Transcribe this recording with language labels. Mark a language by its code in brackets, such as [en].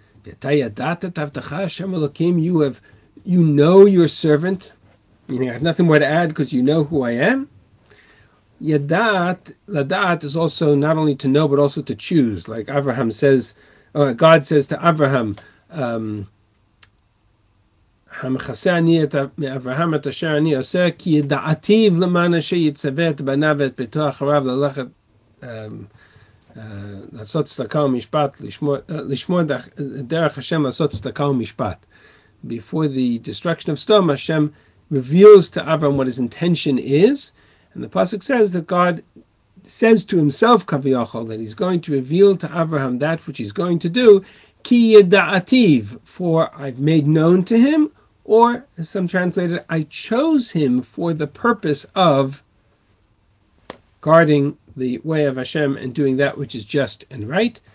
[he] V'ata yadata tavtecha Hashem Elokim. [en] You know your servant. Meaning I have nothing more to add because you know who I am. [he] Yadat ladat [en] is also not only to know but also to choose. Like Abraham says, God says to Abraham, [he] המחסה אני את אברהם את אשר אני עושה, כי ידעתיו למען אשר יצווה את בניו ואת ביתו אחריו ללכת לעשות צדקה ומשפט, לשמור דרך השם לעשות צדקה ומשפט. [en] Before the destruction of Sodom, Hashem reveals to Avram what his intention is. And the pasuk says that God says to himself, Kaviyachol, that he's going to reveal to Avraham that which he's going to do, [he] Ki yeda'ativ, [en] for I've made known to him, or as some translated, I chose him for the purpose of guarding the way of Hashem and doing that which is just and right.